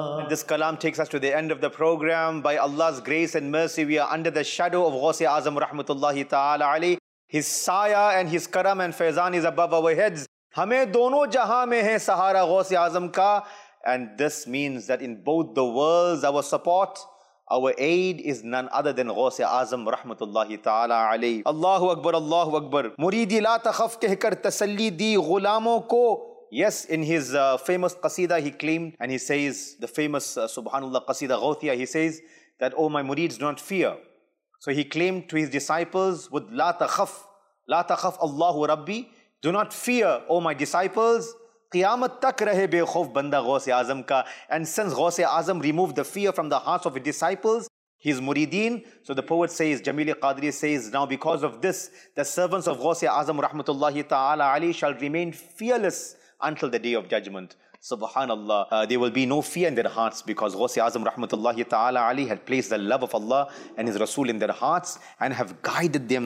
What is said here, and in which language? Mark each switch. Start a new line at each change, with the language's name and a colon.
English: This kalam takes us to the end of the program. By Allah's grace and mercy, we are under the shadow of Ghawse Azam rahmatullahi ta'ala ali. His saya and his karam and faizan is above our heads.
Urdu: ہمیں دونوں جہاں میں ہیں سہارا غوث اعظم کا.
English: And this means that in both the worlds our support our aid is none other than Ghaus Azam رحمۃ اللہ تعالی علیہ.
Arabic: اللہ اکبر اللہ اکبر.
Urdu: مریدی لا تخف کہہ کر تسلی دی غلاموں کو.
English: Yes in his famous قصیدہ he claimed and he says the famous سبحان اللہ قصیدہ غوثیہ. He says that O my مرید do not fear. So he claimed to his disciples with
Arabic: لا تخف لا تخف اللہ ربی,
English: do not fear O my disciples.
Urdu: قیامت تک رہے بے خوف بندہ غوث اعظم کا.
English: And since Ghaus Azam removed the fear from the hearts of his disciples, his muridin, so the poet says, Jamil Qadri says, now because of this, the servants of Ghaus Azam rahmatullahi ta'ala Ali shall remain fearless until the day of judgment. Subhanallah, there will be no fear in their hearts because Ghaus Azam rahmatullahi ta'ala Ali had placed the love of Allah and his Rasul in their hearts and have guided them.